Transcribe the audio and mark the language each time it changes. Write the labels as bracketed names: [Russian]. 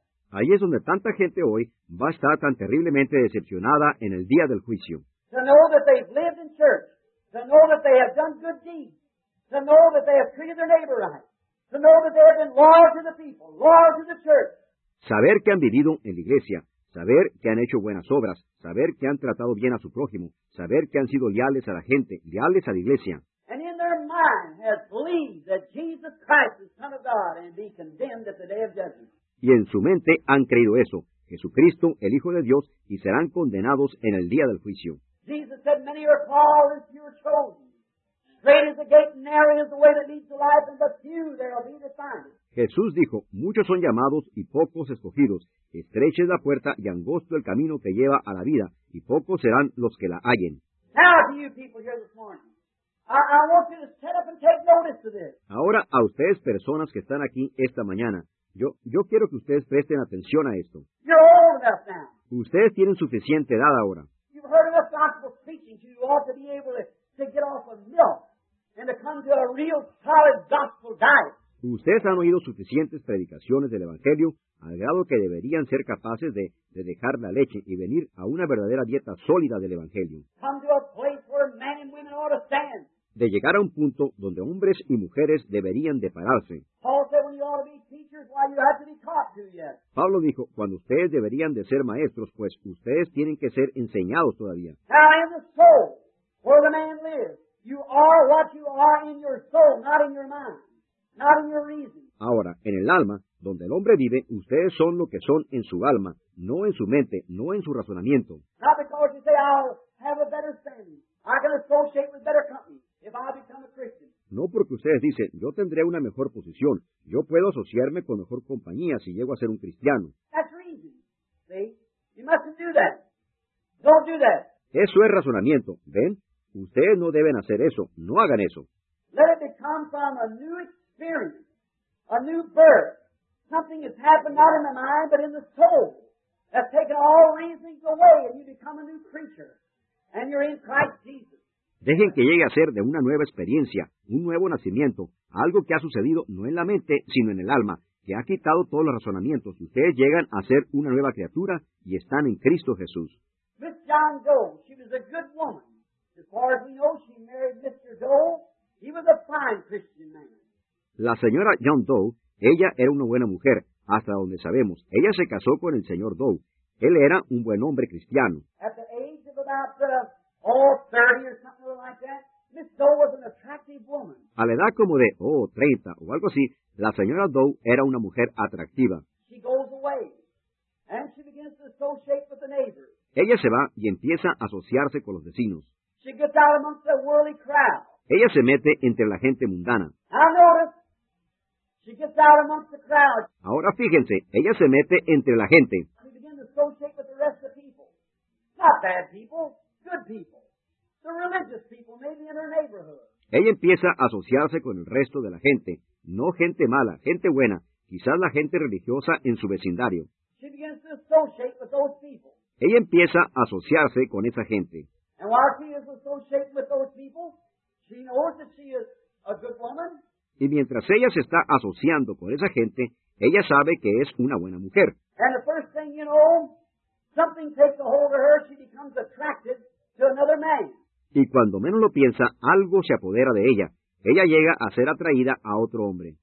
[Spanish] Ahí es donde tanta gente hoy va a estar tan terriblemente decepcionada en el día del juicio. [English] To know that they've lived in church, to know that they have done good deeds, to know that they have treated their neighbor right. To know that they have been loyal to the people, loyal to the church. [Spanish] Saber que han vivido en la iglesia, saber que han hecho buenas obras, saber que han tratado bien a su prójimo, saber que han sido leales a la gente, leales a la iglesia. [English] And in their mind has believed that Jesus Christ is Son of God and be condemned at the day of judgment. [Spanish] Y en su mente han creído eso, Jesucristo, el Hijo de Dios, y serán condenados en el día del juicio. [English] Jesus said, many are called and few are chosen. Straight is the gate and narrow is the way that leads to life, and the few there will be that find it. [Spanish] Jesús dijo, muchos son llamados y pocos escogidos. Estrecha es la puerta y angosto el camino que lleva a la vida, y pocos serán los que la hallen. [English] Now to you people here this morning, I want you to set up and take notice of this. [Spanish] Ahora a ustedes personas que están aquí esta mañana, yo quiero que ustedes presten atención a esto. [English] You're old enough now. [Spanish] Ustedes tienen suficiente edad ahora. [English] You've heard enough gospel preaching, you ought to be able to get off of milk and to come to a real solid gospel diet. [Spanish] Ustedes han oído suficientes predicaciones del Evangelio al grado que deberían ser capaces de dejar la leche y venir a una verdadera dieta sólida del Evangelio. [English] Come to a place where men and women ought to stand. [Spanish] De llegar a un punto donde hombres y mujeres deberían de pararse. [English] Paul said when you ought to be teachers, why you have to be taught to yet. [Spanish] Pablo dijo, cuando ustedes deberían de ser maestros, pues ustedes tienen que ser enseñados todavía. [English] Now in the soul, where the man lives, you are what you are in your soul, not in your mind. Not in your reason. [Spanish] Ahora, en el alma, donde el hombre vive, ustedes son lo que son en su alma, no en su mente, no en su razonamiento. [English] Not because you say, I'll have a better standing. I can associate with better company if I become a Christian. [Spanish] No porque ustedes dicen, yo tendré una mejor posición, yo puedo asociarme con mejor compañía si llego a ser un cristiano. [English] That's reason. See? You mustn't do that. Don't do that. [Spanish] Eso es razonamiento. ¿Ven? Ustedes no deben hacer eso. No hagan eso. [English] Let it become from a new experience. A new birth, Something has happened not in the mind, but in the soul. Has taken all reasonings away, and you become a new creature. And you're in Christ Jesus. [Spanish] Dejen que llegue a ser de una nueva experiencia, un nuevo nacimiento, algo que ha sucedido no en la mente, sino en el alma, que ha quitado todos los razonamientos. Y ustedes llegan a ser una nueva criatura y están en Cristo Jesús. [English] Miss John Doe, she was a good woman. As far as we know, she married Mr. Doe. He was a fine Christian man. [Spanish] La señora John Doe, ella era una buena mujer, hasta donde sabemos. Ella se casó con el señor Doe. Él era un buen hombre cristiano. [English] At the age of about 30 or something like that, Miss Doe was an attractive woman. [Spanish] A la edad como de 30 o algo así, la señora Doe era una mujer atractiva. [English] She goes away, and she begins to associate with the neighbors. [Spanish] Ella se va y empieza a asociarse con los vecinos. [English] She gets out amongst the worldly crowd. [Spanish] Ella se mete entre la gente mundana. [English] I notice she gets out amongst the crowd. [Spanish] Ahora fíjense, ella se mete entre la gente. [English] She begins to associate with the rest of people. Not bad people, good people. The religious people, maybe in her neighborhood. [Spanish] Ella empieza a asociarse con el resto de la gente. No gente mala, gente buena. Quizás la gente religiosa en su vecindario. [English] She begins to associate with those people. [Spanish] Ella empieza a asociarse con esa gente. [English] And while she is associating with those people, she knows that she is a good woman. [Spanish] Y mientras ella se está asociando con esa gente, ella sabe que es una buena mujer. [English] And the first thing you know, something takes a hold of her, she becomes attracted to another man. [Spanish] Y cuando menos lo piensa, algo se apodera de ella. Ella llega a ser atraída a otro hombre.